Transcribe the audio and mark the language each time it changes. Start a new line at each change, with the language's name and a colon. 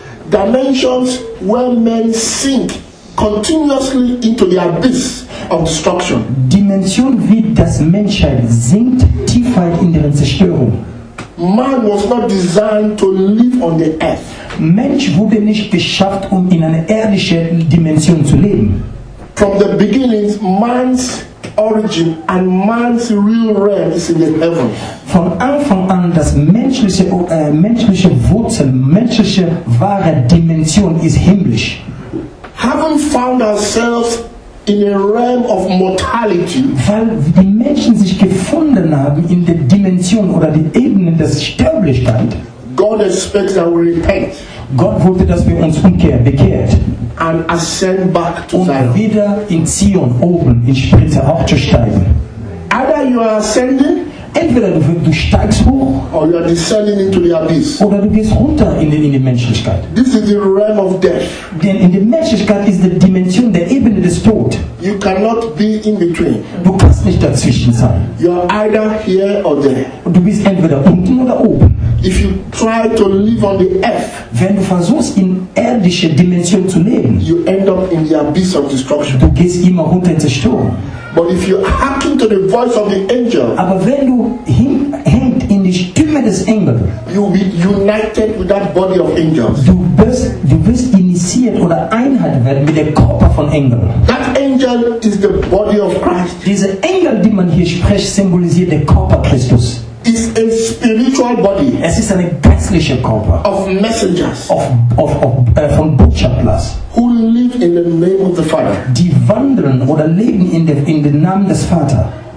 English: Dimensions where men sink continuously into the abyss of destruction.
German: Dimension, wie das Menschheit sinkt tiefer in deren Zerstörung.
English: Man was not designed to live on the earth.
German: Mensch wurde nicht geschafft, um in einer irdischen Dimension zu leben.
English: From the beginnings, man's origin and man's real realm is in the heaven.
German: Von Anfang an, das menschliche menschliche Wurzel, menschliche wahre Dimension ist himmlisch.
English: Having found ourselves in a realm of mortality,
German: weil die Menschen sich gefunden haben in der Dimension oder die Ebene der Sterblichkeit,
English: God expects that we repent.
German: Gott wollte, dass wir uns umkehren, bekehrt.
English: And ascend back to Zion.
German: Und wieder in Zion oben in Spitze aufzusteigen.
English: Either you are ascending,
German: entweder du steigst hoch,
English: or you are descending into the abyss.
German: Oder du gehst runter in die Menschlichkeit.
English: This is the realm of death.
German: Denn in der Menschlichkeit ist die Dimension, der Ebene des Todes.
English: You cannot be in between.
German: Du kannst nicht dazwischen sein.
English: You are either here or there.
German: Du bist entweder unten oder oben.
English: If you try to live on the earth,
German: wenn du versuchst, in irdische Dimension zu leben,
English: you end up in the abyss of destruction.
German: Du gehst immer runter in Zerstörung.
English: But if you hearken to the voice of the angel,
German: aber wenn du hängt in die Stimme des Engels,
English: you will be united with that body of angels.
German: Du wirst initiiert oder Einheit werden mit dem Körper von Engeln.
English: That angel is the body of Christ.
German: Dieser Engel, den man hier spricht, symbolisiert den Körper Christus.
English: Is a spiritual body.
German: Es ist ein geistlicher Körper.
English: Of messengers.
German: Von Botschaftern.
English: Who live in the name of the Father.
German: Die wandeln oder leben in dem Namen des Vater.